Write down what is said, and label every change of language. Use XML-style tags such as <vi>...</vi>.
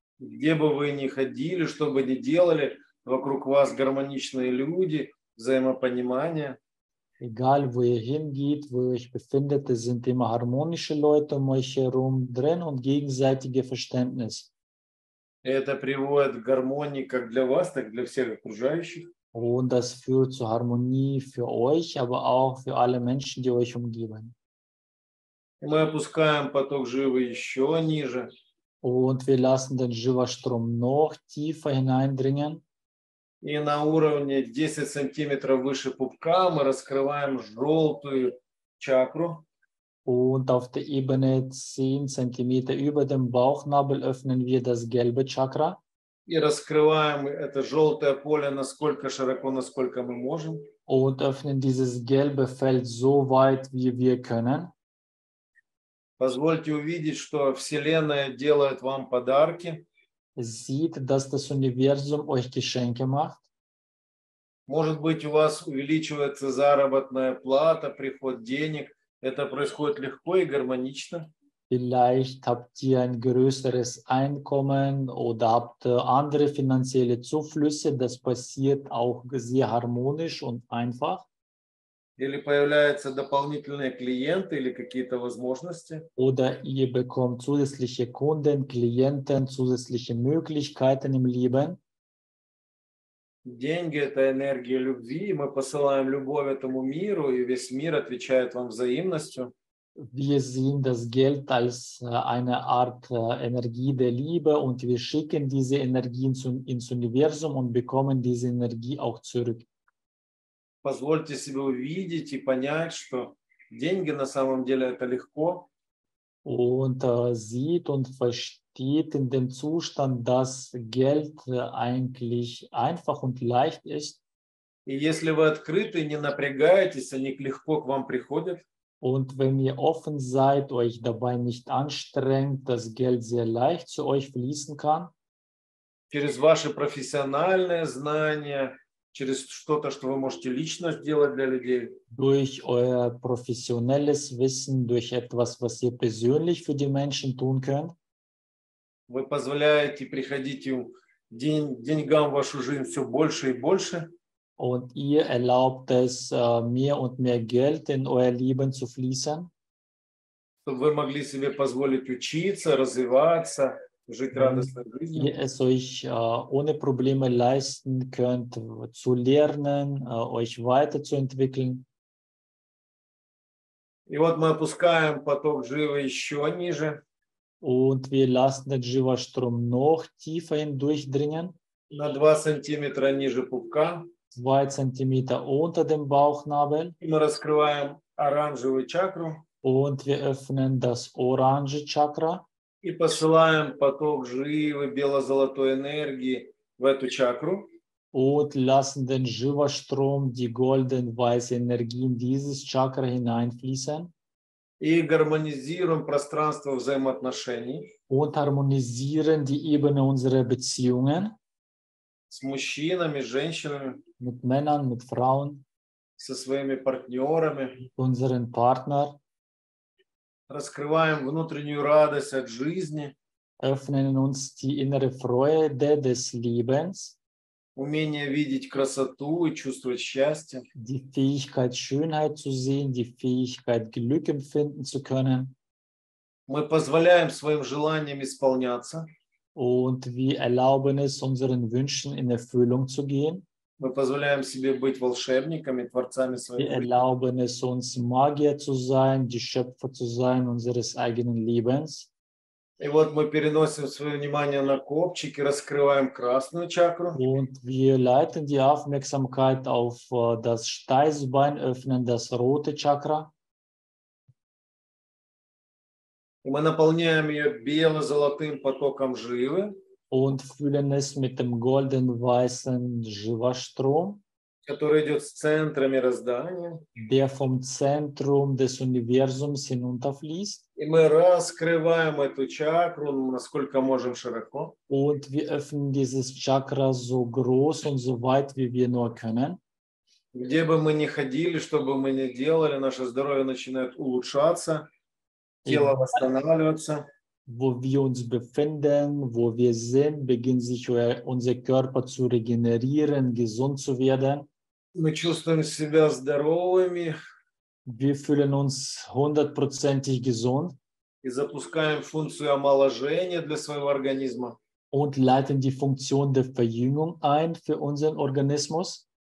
<ru>Где бы вы ни ходили, что бы ни делали, вокруг вас гармоничные люди, взаимопонимание.</ru> <de>Egal, wo ihr hingeht, wo ihr euch befindet, es sind immer harmonische Leute um euch herum drin und gegenseitige Verständnis.</de> <ru>Это приводит к гармонии как для вас, так для всех окружающих.</ru> <de>Und das führt zur Harmonie für euch, aber auch für alle Menschen, die euch umgeben.</de> <ru>Мы опускаем поток живы еще ниже.</ru> <de>Und wir lassen den Jiva-Strom noch tiefer hineindringen.</de> <ru>И на уровне 10 сантиметров выше пупка мы раскрываем желтую чакру.</ru> <de>Und auf der Ebene 10</de> <ru>сантиметров</ru> <de>über dem Bauchnabel öffnen wir das gelbe Chakra.</de> <ru>И раскрываем это желтое поле насколько широко, насколько мы можем.</ru> <de>Und öffnen dieses gelbe Feld so weit, wie wir können.</de> <ru>Позвольте увидеть, что Вселенная делает вам подарки.</ru> <de>Sieht, dass das Universum euch Geschenke macht.</de> <ru>Может быть, у вас увеличивается заработная плата, приход денег. Это происходит легко и гармонично.</ru> <de>Vielleicht habt ihr ein größeres Einkommen oder habt andere finanzielle Zuflüsse. Das passiert auch sehr harmonisch und einfach.</de> <ru>Или появляются дополнительные клиенты или какие-то возможности.</ru> <de>Oder ihr bekommt zusätzliche Kunden, Klienten, zusätzliche Möglichkeiten im Leben.</de> <ru>Деньги – это энергия любви. Мы посылаем любовь этому миру, и весь мир отвечает вам взаимностью.</ru> <de>Wir sehen das Geld als eine Art Energie der Liebe und wir schicken diese Energie ins Universum und bekommen diese Energie auch zurück.</de> <ru>Позвольте себе увидеть и понять, что деньги на самом деле это легко.</ru> <de>Und sieht und versteht in dem Zustand, dass Geld eigentlich einfach und leicht ist.</de> <ru>И если вы открыты, не напрягаетесь, они легко к вам приходят.</ru> <de>Und wenn ihr offen seid, euch dabei nicht anstrengt, das Geld sehr leicht zu euch fließen kann.</de> <ru>Через ваши профессиональные знания, через что-то, что вы можете лично сделать для людей.</ru> <de>Durch euer professionelles Wissen, durch etwas, was ihr persönlich für die Menschen tun könnt.</de> <ru>Вы позволяете приходить деньгам в вашу жизнь все больше и больше.</ru> <de>Und ihr erlaubt es, mehr und mehr Geld in euer Leben zu fließen.</de> <ru>Чтобы вы могли себе позволить учиться, развиваться. Жить радостной жизнью.</ru> <de>Ihr es euch ohne Probleme leisten könnt, zu lernen, euch weiterzuentwickeln.</de> <ru>И вот мы опускаем поток Живы еще ниже.</ru> <de>Und wir lassen den Jiva-Strom noch tiefer hindurchdringen.</de> <ru>На 2 сантиметра ниже пупка.</ru> <de>2</de> <ru>сантиметра</ru> <de>unter dem Bauchnabel.</de> <ru>И мы раскрываем оранжевую чакру.</ru> <de>Und wir öffnen das orange Chakra.</de> <ru>И посылаем поток живой бело-золотой энергии в эту чакру.</ru> <de>Und lassen den Jiva-Strom, die golden-weiße Energie in dieses Chakra hineinfließen.</de> <ru>И гармонизируем пространство взаимоотношений.</ru> <de>Und harmonisieren die Ebene unserer Beziehungen.</de> <ru>С мужчинами, с женщинами.</ru> <de>Mit Männern, mit Frauen.</de> <ru>Со своими партнерами.</ru> <de>Mit unseren Partnern.</de> <ru>Раскрываем внутреннюю радость от жизни.</ru> <de>Öffnen uns die innere Freude des Lebens.</de> <ru>Умение видеть красоту и чувствовать счастье.</ru> <de>Die Fähigkeit, Schönheit zu sehen, die Fähigkeit, Glück empfinden zu können.</de> <ru>Мы позволяем своим желаниям исполняться.</ru> <de>Und wir erlauben es, unseren Wünschen in Erfüllung zu gehen.</de> <ru>Мы позволяем себе быть волшебниками, творцами своего.</ru> <de>Wir erlauben es uns, Magier zu sein, die Schöpfer zu sein unseres eigenen Lebens.</de> <ru>И вот мы переносим свое внимание на копчик и раскрываем красную чакру.</ru> <de>Und wir leiten die Aufmerksamkeit auf das Steißbein, öffnen das rote Chakra.</de> <ru>И мы наполняем ее бело-золотым потоком живы.</ru> <de>Und füllen es mit dem golden-weißen Jiva-Strom,</de> <ru>который идет с центра мироздания,</ru> <de>der vom Zentrum des Universums hinunterfließt.</de> <ru>И мы раскрываем эту чакру, насколько можем широко.</ru> <de>Und wir öffnen dieses Chakra so groß und so weit, wie wir nur können.</de> <ru>Где бы мы ни ходили, что бы мы ни делали, наше здоровье начинает улучшаться, тело восстанавливаться.</ru> <de>Wo wir uns befinden, wo wir sind, beginnt sich unser Körper zu regenerieren, gesund zu werden.</de> <ru>Мы чувствуем себя здоровыми.</ru> <de>Wir fühlen uns hundertprozentig gesund.</de> <ru>И запускаем функцию омоложения для своего организма.</ru> <de>Und leiten die Funktion der Verjüngung ein für unseren Organismus.</de>